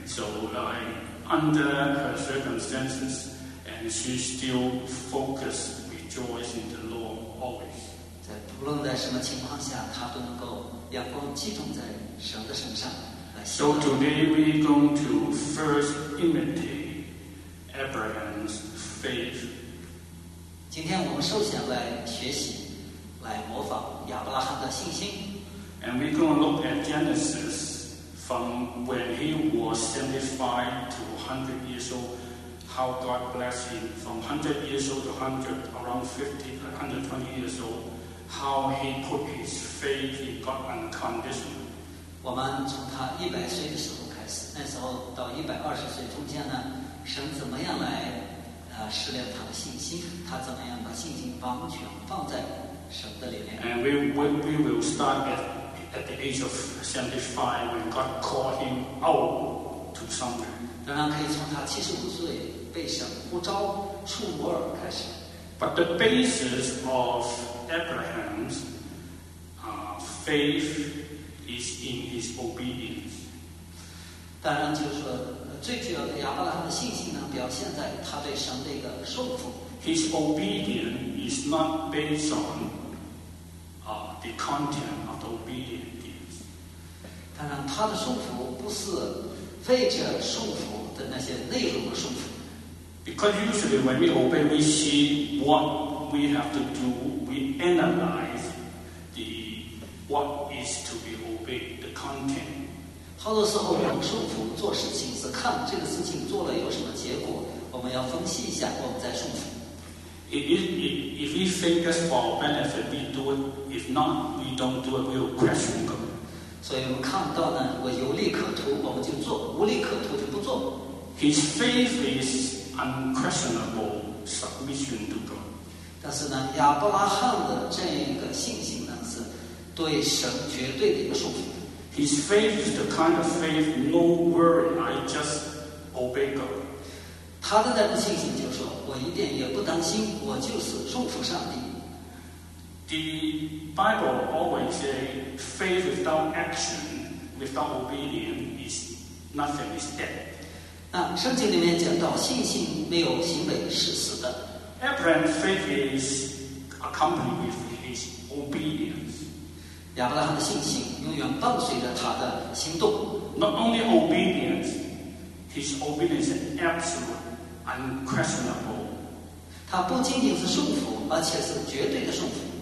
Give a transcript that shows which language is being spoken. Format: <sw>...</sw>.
<en>So under her circumstances, and she still focused, rejoicing in the Lord always.</en> <zh>无论在什么情况下，他都能够阳光集中在神的身上。</zh> <en>So today we're going to first imitate Abraham's faith.</en> <zh>今天我们首先来学习，来模仿亚伯拉罕的信心。</zh> <en>And we're going to look at Genesis from when he was 75 to 100 years old, how God blessed him from 100 years old to 100, around 50, 120 years old. How he put his faith in God unconditionally.</en> <zh>我们从他一百岁的时候开始，那时候到一百二十岁中间呢，神怎么样来试炼他的信心？他怎么样把信心完全放在神的里面</zh> <en>？And we will start at the age of 75 when God called him out to somewhere.</en> <zh>当然可以从他七十五岁被神呼召出摩尔开始。</zh> <en>But the basis of Abraham's faith is in his obedience.</en> <zh>当然就是说，最主要的亚伯拉罕的信心呢，表现在他对神的一个顺服。</zh> <en>His obedience is not based on the content of the obedience.</en> <zh>当然，他的顺服不是为着顺服的那些内容的顺服。</zh> <en>Because usually when we obey, we see what we have to do. We analyze the what is to be obeyed, the content.</en> <zh>好多时候我们顺服做事情是看这个事情做了有什么结果，我们要分析一下，我们再顺服。</zh> <en>If we think that's for our benefit, we do it. If not, we don't do it. We will question God.</en> <zh>所以我们看到呢，我有利可图，我们就做；无利可图就不做。</zh> <en>His faith is. Unquestionable submission to God.</en> <zh>但是呢，亚伯拉罕的这一个信心呢，是对神绝对的一个顺服。</zh> <en>His faith is the kind of faith, no worry, I just obey God.</en> <zh>他的那个信心就说，我一点也不担心，我就是顺服上帝。</zh> <en>The Bible always say, faith without action, without obedience is nothing, is dead.</en> <zh>圣经里面讲到，信心没有行为是死的。</zh> <en>Abraham's faith is accompanied with his obedience.</en> <zh>亚伯拉罕的信心永远伴随着他的行动。</zh> <en>Not only obedience, his obedience is absolute, unquestionable.</en> <zh>他不仅仅是顺服，而且是绝对的顺服。</zh>